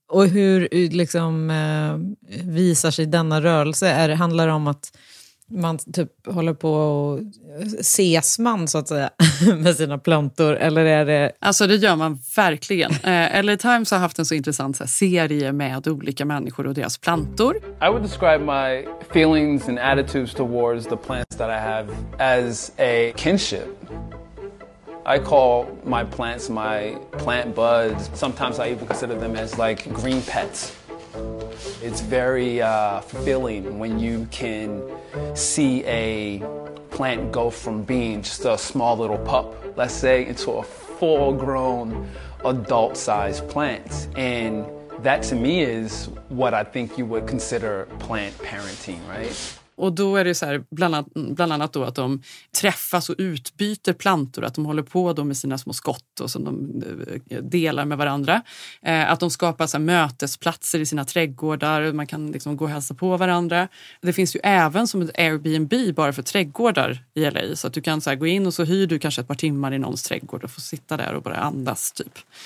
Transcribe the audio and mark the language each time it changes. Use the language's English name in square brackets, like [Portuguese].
[Swedish] Och hur liksom visar sig denna rörelse? Handlar det om att man typ håller på och ses man så att säga med sina plantor? Eller är det... Alltså det gör man verkligen. LA Times har haft en så intressant så här, serie med olika människor och deras plantor. [English] I would describe my feelings and attitudes towards the plants that I have as a kinship. I call my plants my plant buds. Sometimes I even consider them as like green pets. It's very fulfilling when you can see a plant go from being just a small little pup, let's say, into a full-grown adult-sized plant. And that to me is what I think you would consider plant parenting, right? [Swedish] Och då är det så här, bland annat då att de träffas och utbyter plantor, att de håller på då med sina små skott och som de delar med varandra. Att de skapar så här mötesplatser i sina trädgårdar, man kan liksom gå och hälsa på varandra. Det finns ju även som ett Airbnb bara för trädgårdar i LA, så att du kan så här gå in och så hyr du kanske ett par timmar i någons trädgård och får sitta där och bara andas typ.